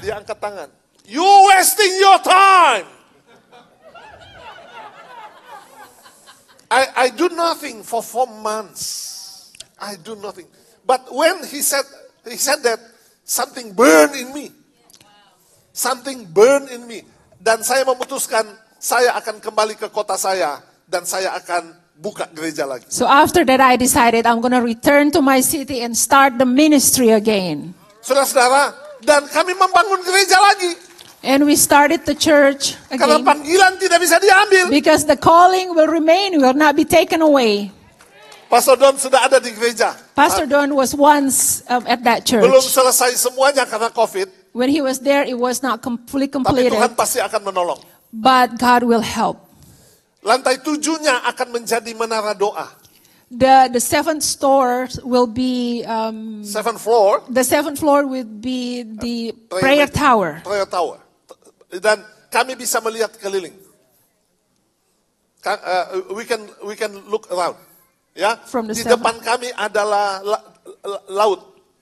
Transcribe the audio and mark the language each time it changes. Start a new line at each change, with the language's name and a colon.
Indonesian: Dia angkat tangan.
English: You're wasting your time. I do nothing for 4 months. I do nothing. But when he said that, something burned in me. Something burned in me.
Indonesian: Dan saya memutuskan, saya akan kembali ke kota saya, dan saya akan buka gereja lagi.
English: So after that I decided I'm going to return to my city and start the ministry again.
Indonesian: Saudara-saudara, dan kami membangun gereja lagi.
English: And we started the church again.
Indonesian: Karena panggilan tidak bisa diambil.
English: Because the calling will remain, will not be taken away.
Indonesian: Pastor Don sudah ada di gereja.
English: Pastor Don was once at that church.
Indonesian: Belum selesai semuanya karena COVID.
English: When he was there, it was not fully completed.
Indonesian: Tapi Tuhan pasti akan menolong.
English: But God will help.
Indonesian: Lantai tujuhnya akan menjadi menara doa.
English: The seventh store will be seventh floor. The seventh floor will be the prayer tower. Prayer tower.
Indonesian: Dan kami bisa melihat keliling.
English: We can look around. Ya. From the
Indonesian: di
English: seven.
Indonesian: Depan kami adalah laut.